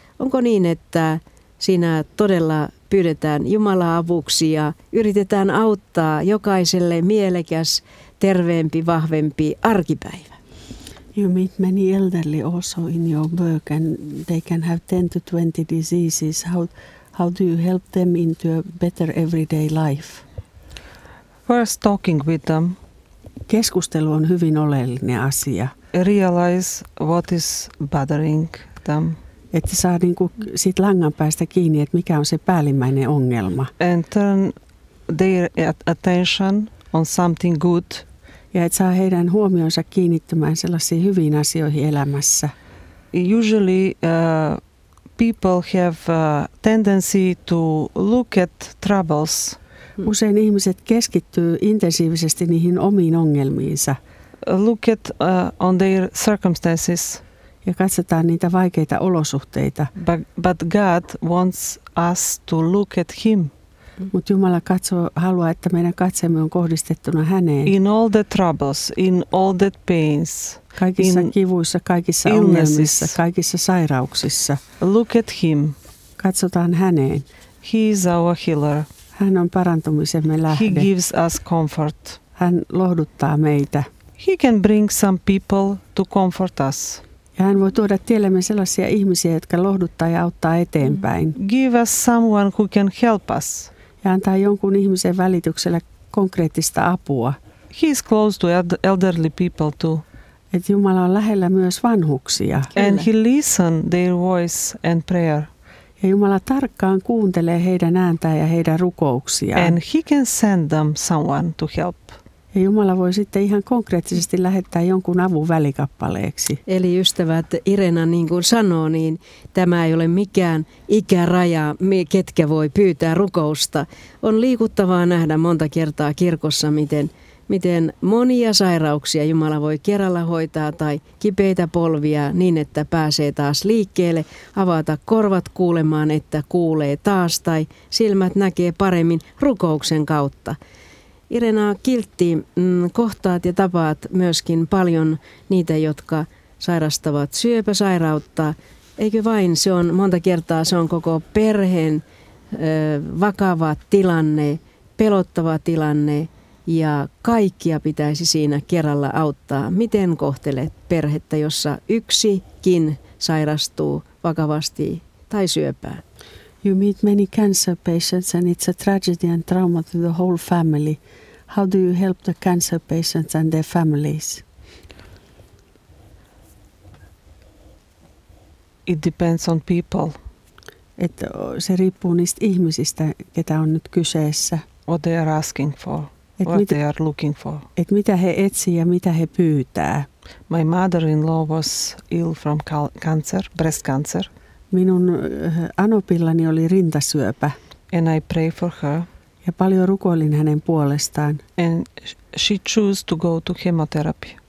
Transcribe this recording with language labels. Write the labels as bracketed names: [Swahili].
[Finnish] Onko niin, että sinä todella pyydetään Jumalaa avuksi ja yritetään auttaa jokaiselle mielekäs, terveempi, vahvempi arkipäivä? [English] You meet many elderly also in your work and they can have 10 to 20 diseases. How do you help them into a better everyday life? First talking with them. [Finnish] Keskustelu on hyvin oleellinen asia. [English] Realize what is bothering them. [Finnish] Että saa niin kuin siitä langan päästä kiinni, että mikä on se päällimmäinen ongelma. [English] And turn their attention on something good. [Finnish] Ja että saa heidän huomionsa kiinnittymään sellaisiin hyviin asioihin elämässä. [English] Usually people have a tendency to look at troubles. [Finnish] Usein ihmiset keskittyy intensiivisesti niihin omiin ongelmiinsa. [English] Look at on their circumstances. [Finnish] Ja katsotaan niitä vaikeita olosuhteita. [English] But God wants us to look at him. [Finnish] Mutta Jumala haluaa, että meidän katseemme on kohdistettuna häneen. [English] In all the troubles, in all the pains. [Finnish] Kaikissa kivuissa, kaikissa ongelmissa, kaikissa sairauksissa. [English] Look at him. [Finnish] Katsotaan häneen. [English] He is our healer. [Finnish] Hän on parantumisemme lähde. [English] He gives us comfort. [Finnish] Hän lohduttaa meitä. [English] He can bring some people to comfort us. [Finnish] Ja hän voi tuoda tiellemme sellaisia ihmisiä, jotka lohduttaa ja auttaa eteenpäin. [English] Give us someone who can help us. [Finnish] Ja antaa jonkun ihmisen välityksellä konkreettista apua. [English] He is close to elderly people too. [Finnish] Et Jumala on lähellä myös vanhuksia. [English] And he listen their voice and prayer. [Finnish] Ja Jumala tarkkaan kuuntelee heidän ääntään ja heidän rukouksiaan. [English] And he can send them someone to help. [Finnish] Ja Jumala voi sitten ihan konkreettisesti lähettää jonkun avun välikappaleeksi. Eli ystävät, Irena niin kuin sanoo, niin tämä ei ole mikään ikäraja, ketkä voi pyytää rukousta. On liikuttavaa nähdä monta kertaa kirkossa, miten monia sairauksia Jumala voi kerralla hoitaa tai kipeitä polvia niin, että pääsee taas liikkeelle, avata korvat kuulemaan, että kuulee taas tai silmät näkee paremmin rukouksen kautta. Irena, kiltti, kohtaat ja tapaat myöskin paljon niitä, jotka sairastavat syöpäsairautta. Eikö vain, se on monta kertaa, se on koko perheen vakava tilanne, pelottava tilanne ja kaikkia pitäisi siinä kerralla auttaa. Miten kohtelet perhettä, jossa yksikin sairastuu vakavasti tai syöpään? [English] You meet many cancer patients and it's a tragedy and trauma to the whole family. How do you help the cancer patients and their families? It depends on people. [Finnish] Että se riippuu niistä ihmisistä, ketä on nyt kyseessä. [English] What they are asking for, et what they are looking for. [Finnish] Et mitä he etsii ja mitä he pyytää. [English] My mother-in-law was ill from cancer, breast cancer. [Finnish] Minun anopillani oli rintasyöpä. [English] And I pray for her. [Finnish] Ja paljon rukoilin hänen puolestaan. [English] And she chose to go to chemotherapy.